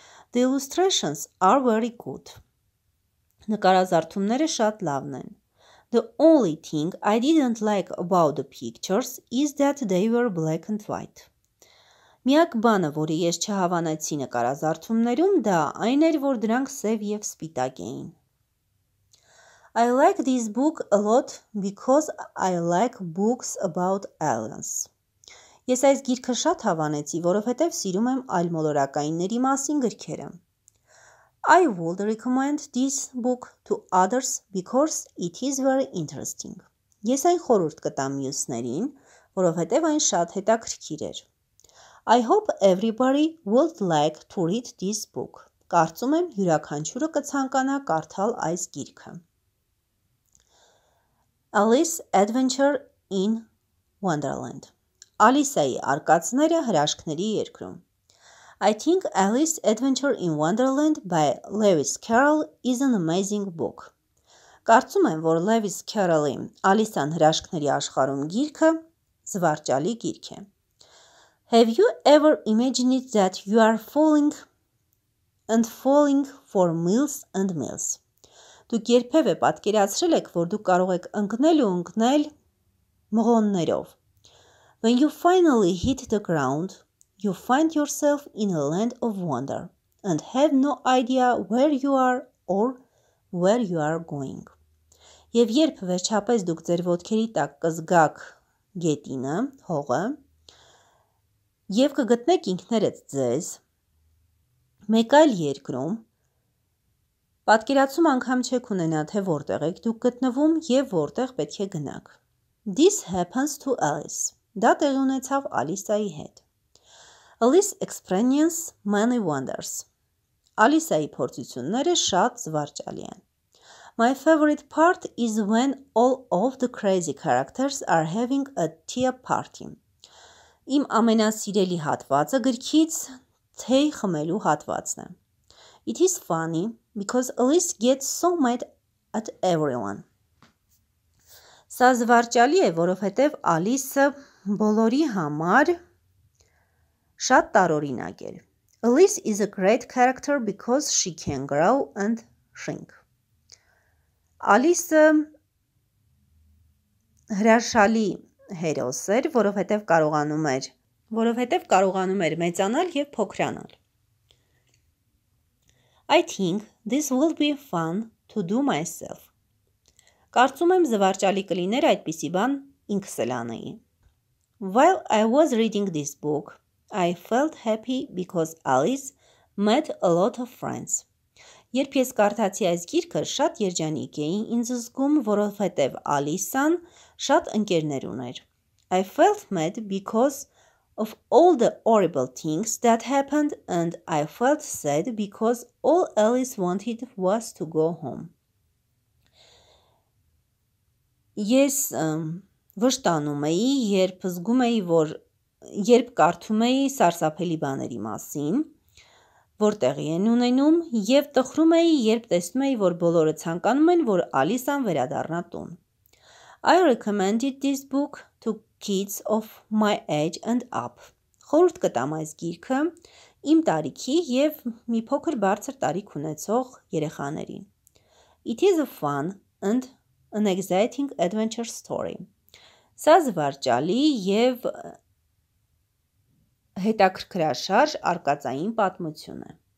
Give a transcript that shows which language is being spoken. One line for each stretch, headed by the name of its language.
English: The illustrations are very good.
Armenian: Նկարազարդումները շատ լավն են.
English: The only thing I didn't like about the pictures is that they were black and white.
Armenian: Միակ բանը, որի ես չհավանեցի նկարազարդումներում, դա այն էր, որ դրանք սև և սպիտակ էին.
English: I like this book a lot because I like books about aliens.
Armenian: Ես այս գիրքը շատ հավանեցի, որովհետև սիրում եմ այլմոլորակայինների մասին գրքերը.
English: I would recommend this book to others because it is very interesting.
Armenian: Ես այն խորհուրդ կտամ մյուսներին, որովհետև այն շատ հետաքրքիր էր.
English: I hope everybody would like to read this book.
Armenian: Կարծում եմ յուրաքանչյուրը կցանկանա կարդալ այս գիրքը.
English: Alice's Adventure in Wonderland.
Armenian: Ալիսայի արկածները հրաշքների երկրում.
English: I think Alice's Adventure in Wonderland by Lewis Carroll is an amazing book.
Armenian: Կարծում եմ, որ Lewis Carroll-ի Ալիսան հրաշքների աշխարհում գիրքը զվարճալի գիրք է.
English: Have you ever imagined that you are falling and falling for miles and miles?
Armenian: Դուք երբևէ պատկերացրել եք, որ դուք կարող եք ընկնել ու ընկնել մղոններով.
English: When you finally hit the ground, you find yourself in a land of wonder and have no idea where you are or where you are going.
Armenian: Եվ երբ վերջապես դուք ձեր ոտքերի տակ կզգաք գետինը, հողը, Եվ կգտնեք ինքներդ ձեզ մեկ այլ երկրում, պատկերացում անգամ չեք ունենա, թե որտեղ եք դուք գտնվում և որտեղ պետք է գնաք.
English: This happens to Alice.
Armenian: Դա տեղի ունեցավ Ալիսայի հետ.
English: Alice experiences many wonders.
Armenian: Ալիսայի փորձությունները շատ զվարճալի են.
English: My favorite part is when all of the crazy characters are having a tea party.
Armenian: Իմ ամենասիրելի հատվածը գրքից թեյ խմելու հատվածն է.
English: It is funny because Alice gets so mad at everyone.
Armenian: Սա զվարճալի է, որովհետև Alice-ը բոլորի համար շատ տարօրինակ էր.
English: Alice is a great character because she can grow and shrink.
Armenian: Alice-ը հրաշալի հերոս էր, որովհետև կարողանում էր մեծանալ և փոքրանալ.
English: I think this will be fun to do myself.
Armenian: Կարծում եմ զվարճալի կլիներ այդպիսի բան ինքս էլ անեի.
English: While I was reading this book, I felt happy because Alice met a lot of friends.
Armenian: Երբ ես կարդացի այս գիրքը, շատ երջանիկ էի ինձ զգում, որովհետև Ալիսան շատ ընկերներ ուներ.
English: I felt mad because of all the horrible things that happened and I felt sad because all Alice wanted was to go home.
Armenian: Ես վշտանում էի, երբ զգում էի, որ երբ կարդում էի սարսափելի բաների մասին, որտեղի են ունենում, և տխրում էի, երբ տեսնում էի, որ բոլորը ցանկանում են, որ Ալիսան վերադառնա տուն.
English: I recommended this book to kids of my age and up.
Armenian: Խորհուրդ կտամ այս գիրքը իմ տարիքի և մի փոքր բարձր տարիք ունեցող երեխաներին.
English: It is a fun and an exciting adventure story.
Armenian: Սա զվարճալի և հետաքրքրաշարժ արկածային պատմություն է.